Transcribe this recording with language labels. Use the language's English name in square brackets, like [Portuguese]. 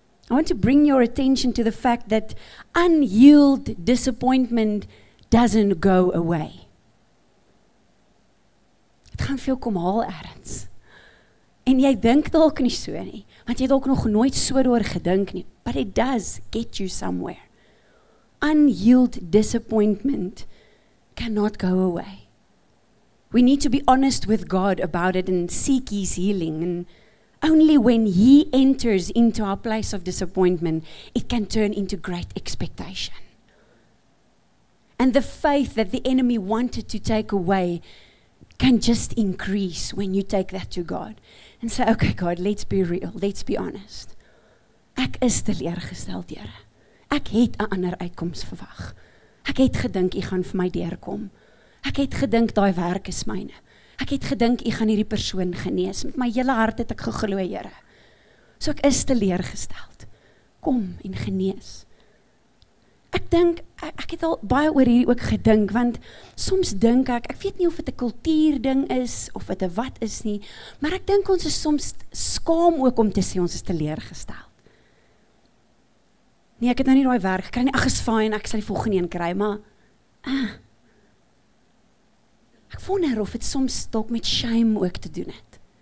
[English] I want to bring your attention to the fact that unhealed disappointment doesn't go away. [Afrikaans] Dit gaan vir jou kom haal ergens. En jy dink dalk nie so nie, want jy het dalk nog nooit so daaroor gedink nie. [English] But it does get you somewhere. Unhealed disappointment cannot go away. We need to be honest with God about it and seek His healing. And only when He enters into our place of disappointment, it can turn into great expectation. And the faith that the enemy wanted to take away can just increase when you take that to God. And say, okay God, let's be real, let's be honest. [Afrikaans] Ek is teleurgesteld, Here. Ek het 'n ander uitkoms verwag. Ek het gedink U gaan vir my deurkom. Ek het gedink daai werk is myne. Ek het gedink U gaan hierdie persoon genees. Met my hele hart het ek geglo, Here. So ek is teleurgesteld. Kom en genees. Ek dink ek het al baie oor hierdie ook gedink, want soms dink ek weet nie of dit 'n kultuurding is of dit 'n wat is nie, maar ek dink ons is soms skaam ook om te sê ons is teleurgesteld. Nee, ek het nou nie daai werk gekry nie. Ag, is fyn, ek sal die volgende een kry, maar ek wonder of dit soms dalk met shame ook te doen het.